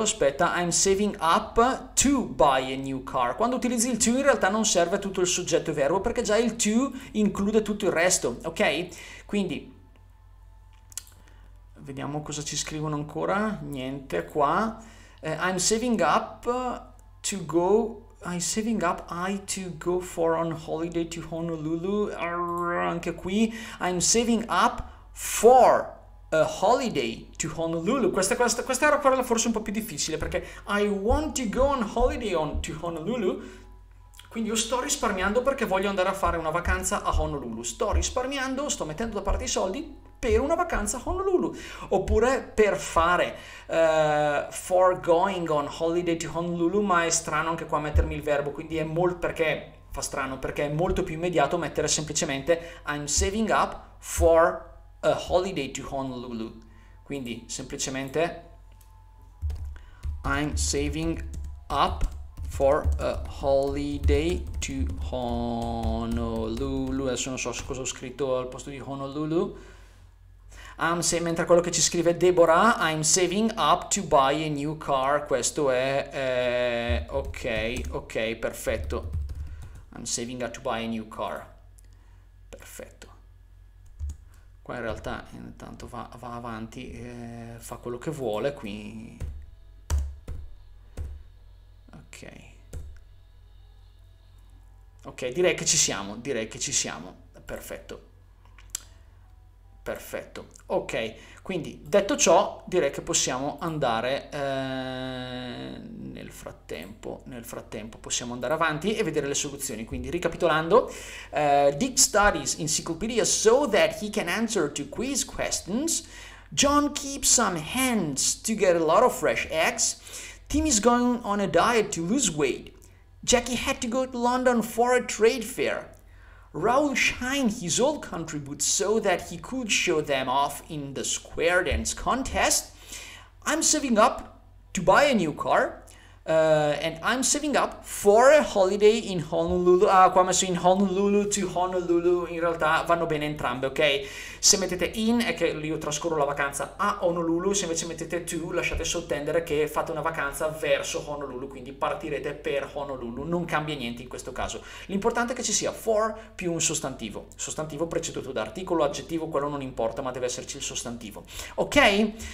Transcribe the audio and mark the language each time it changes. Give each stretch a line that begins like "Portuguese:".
Italian: Aspetta,
English: I'm saving up to buy a new car.
Italian: Quando utilizzi il to, in realtà non serve tutto il soggetto e verbo perché già il to include tutto il resto, ok? Quindi, vediamo cosa ci scrivono ancora. Niente qua.
English: I'm saving up to go. I'm saving up, I to go for on holiday to Honolulu.
Italian: Anche qui,
English: I'm saving up for a holiday to Honolulu.
Italian: Questa era quella forse un po' più difficile perché
English: I want to go on holiday to Honolulu.
Italian: Quindi io sto risparmiando perché voglio andare a fare una vacanza a Honolulu. Sto risparmiando, sto mettendo da parte i soldi per una vacanza a Honolulu. Oppure per fare
English: for going on holiday to Honolulu,
Italian: ma è strano anche qua mettermi il verbo, quindi è molto perché fa strano, perché è molto più immediato mettere semplicemente
English: I'm saving up for a holiday to Honolulu.
Italian: Quindi semplicemente
English: I'm saving up for a holiday to Honolulu.
Italian: Adesso non so cosa ho scritto al posto di Honolulu. Mentre quello che ci scrive
English: Deborah, I'm saving up to buy a new car.
Italian: Questo è ok, perfetto.
English: I'm saving up to buy a new car.
Italian: Perfetto. Qua in realtà intanto va avanti, fa quello che vuole qui. Ok, direi che ci siamo, direi che ci siamo. Perfetto. Perfetto, ok, quindi detto ciò, direi che possiamo andare nel frattempo possiamo andare avanti e vedere le soluzioni. Quindi ricapitolando,
English: Dick studies encyclopedia so that he can answer to quiz questions. John keeps some hens to get a lot of fresh eggs. Tim is going on a diet to lose weight. Jackie had to go to London for a trade fair. Raoul shined his old country boots so that he could show them off in the square dance contest. I'm saving up to buy a new car, and I'm saving up for a holiday in Honolulu.
Italian: Ah, qua ho messo in Honolulu to Honolulu, in realtà vanno bene entrambe, ok? Se mettete in è che io trascorro la vacanza a Honolulu, se invece mettete to lasciate sottendere che fate una vacanza verso Honolulu, quindi partirete per Honolulu, non cambia niente in questo caso. L'importante è che ci sia for più un sostantivo. Sostantivo preceduto da articolo, aggettivo, quello non importa, ma deve esserci il sostantivo. Ok?